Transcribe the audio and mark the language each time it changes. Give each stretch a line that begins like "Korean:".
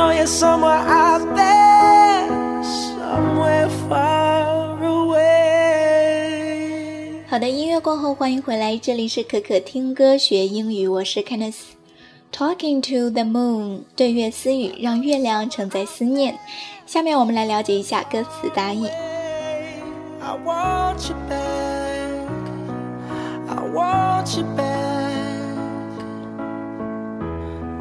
English: Somewhere out there, somewhere far away.
Chinese: 好的，音乐过后欢迎回来，这里是可可听歌学英语，我是 Kenneth。
English: Talking to the moon，
Chinese: 对月私语，让月亮承载思念。下面我们来了解一下歌词大意。
English: I want you back, I want you back.